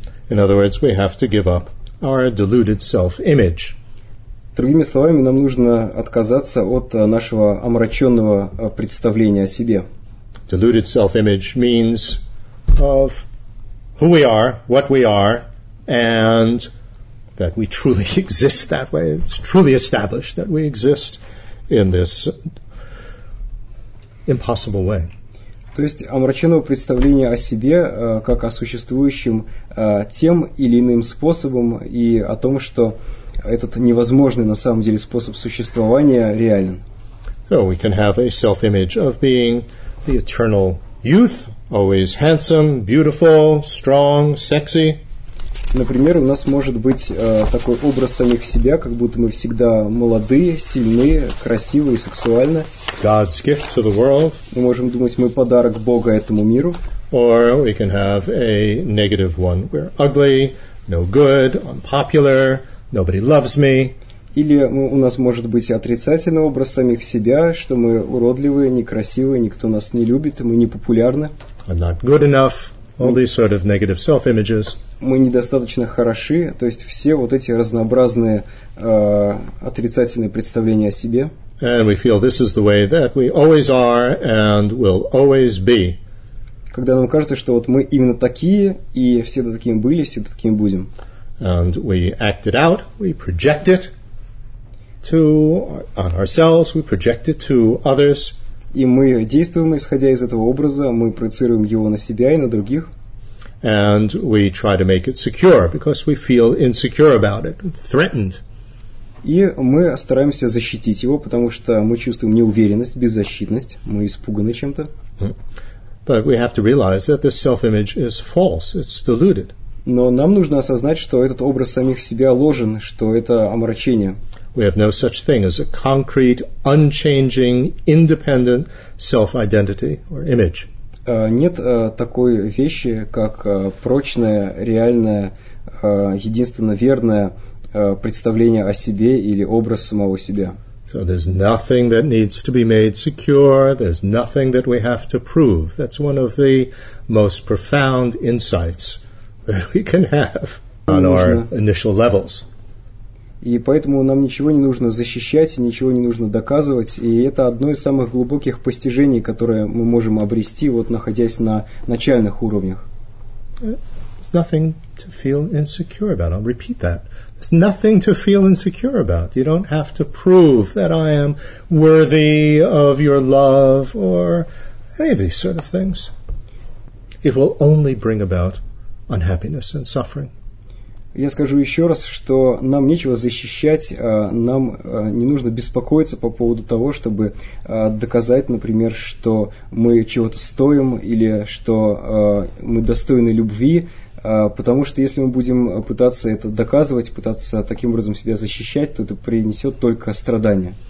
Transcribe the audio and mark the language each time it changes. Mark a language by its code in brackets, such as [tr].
[en] In other words, we have to give up our deluded self-image. [ru] Другими словами, нам нужно отказаться от нашего омраченного представления о себе. [en] Deluded self-image means of who we are, what we are, and that we truly exist that way. It's truly established that we exist in this impossible way. [ru] То есть омраченного представления о себе как о существующем тем или иным способом и о том, что этот невозможный на самом деле способ существования реален. [en] So we can have a self-image of being the eternal youth, always handsome, beautiful, strong, sexy. [ru] Например, у нас может быть такой образ самих себя, как будто мы всегда молодые, сильные, красивые и сексуальны. [en] God's gift to the world. [ru] Мы можем думать, мы подарок Бога этому миру. [en] Or we can have a negative one. We're ugly, no good, unpopular, nobody loves me. [ru] Или у нас может быть отрицательный образ самих себя, что мы уродливые, некрасивые, никто нас не любит, мы непопулярны. [en] I'm not good enough. All these sort of negative self-images. [ru] Мы недостаточно хороши, то есть все вот эти разнообразные отрицательные представления о себе. [en] And we feel this is the way that we always are and will always be. [ru] Когда нам кажется, что вот мы именно такие и всегда такими были, всегда такими будем. [en] And we act it out, we project it to on ourselves, we project it to others. [ru] И мы действуем, исходя из этого образа, мы проецируем его на себя и на других. [en] And we try to make it secure, because we feel insecure about it, threatened. [ru] И мы стараемся защитить его, потому что мы чувствуем неуверенность, беззащитность, мы испуганы чем-то. [en] But we have to realize that this self-image is false, it's deluded. [ru] Но нам нужно осознать, что этот образ самих себя ложен, что это омрачение. [en] We have no such thing as a concrete, unchanging, independent self-identity or image. [ru] Нет такой вещи, как прочное, реальное, единственно верное представление о себе или образ самого себя. [en] So there's nothing that needs to be made secure. There's nothing that we have to prove. That's one of the most profound insights that we can have on our initial levels. [ru] И поэтому нам ничего не нужно защищать, ничего не нужно доказывать, и это одно из самых глубоких постижений, которое мы можем обрести, вот находясь на начальных уровнях. [en] There's nothing to feel insecure about. I'll repeat that. There's nothing to feel insecure about. You don't have to prove that I am worthy of your love or any of these sort of things. It will only bring about unhappiness and suffering. [ru] Я скажу еще раз, что нам нечего защищать, нам не нужно беспокоиться по поводу того, чтобы доказать, например, что мы чего-то стоим или что мы достойны любви, потому что если мы будем пытаться это доказывать, пытаться таким образом себя защищать, то это принесет только страдания.